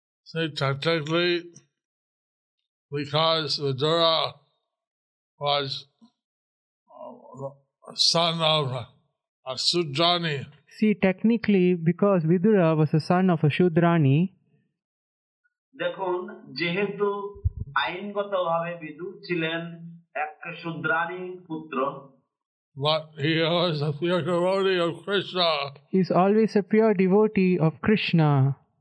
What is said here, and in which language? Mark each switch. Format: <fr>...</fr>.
<en>See, technically, because Vidura was a son of a Shudrani. See, technically, because Vidura was a son of a Shudrani.</en> <bn>দেখুন যেহেতু আইনগতভাবে বিদুর ছিলেন এক শূদ্রানি পুত্র</bn> <en>But he was a pure devotee of Krishna. He is always a pure devotee of Krishna.</en>